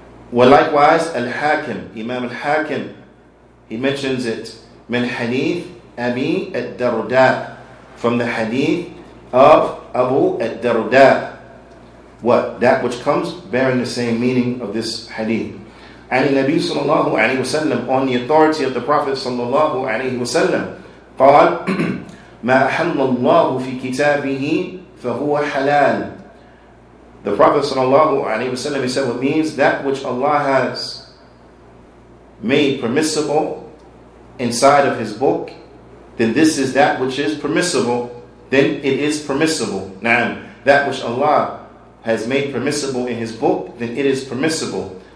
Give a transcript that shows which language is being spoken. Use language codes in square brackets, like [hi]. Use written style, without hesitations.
[en] Well, likewise, Al-Hakim, Imam Al-Hakim, he mentions it, [ar] من حديث أبي الدرداء, [en] from the hadith of Abu الدرداء. What? That which comes bearing the same meaning of this hadith. [ar] عن النبي صلى الله عليه وسلم, [en] on the authority of the Prophet [ar] صلى الله عليه وسلم, قال, ما أحل الله في كتابه فهو حلال. [en] The Prophet sallallahu alaihi wasallam, he said, what means that which Allah has made permissible inside of His book, then this is that which is permissible then it is permissible. Na'am. That which Allah has made permissible in His book, then it is permissible.